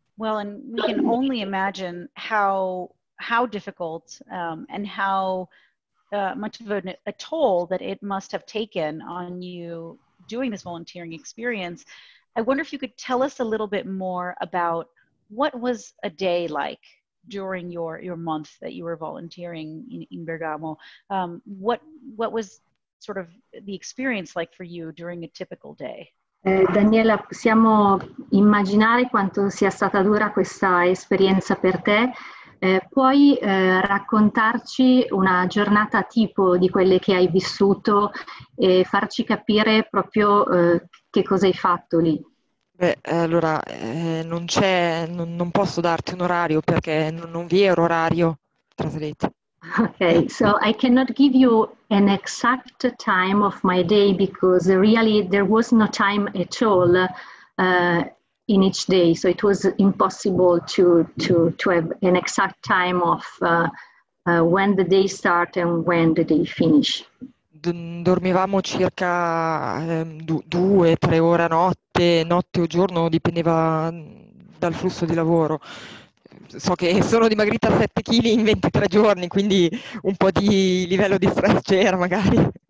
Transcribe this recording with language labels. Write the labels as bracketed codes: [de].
[en] Well, and we can only imagine how difficult and how much of a toll that it must have taken on you doing this volunteering experience. I wonder if you could tell us a little bit more about what was a day like during your month that you were volunteering in Bergamo. What was sort of the experience like for you during a typical day? [it] Daniela, possiamo immaginare quanto sia stata dura questa esperienza per te. Puoi raccontarci una giornata tipo di quelle che hai vissuto e farci capire proprio che cosa hai fatto lì? Beh, allora, non posso darti un orario perché non vi è orario traslitto. [en] Okay, so I cannot give you an exact time of my day because really there was no time at all in each day, so it was impossible to have an exact time of when the day start and when the day finish. [it] Dormivamo circa 2 o 3 ore a notte, notte o giorno, dipendeva dal flusso di lavoro. So che sono dimagrita 7 kg in 23 giorni, quindi un po' di livello di stress c'era magari.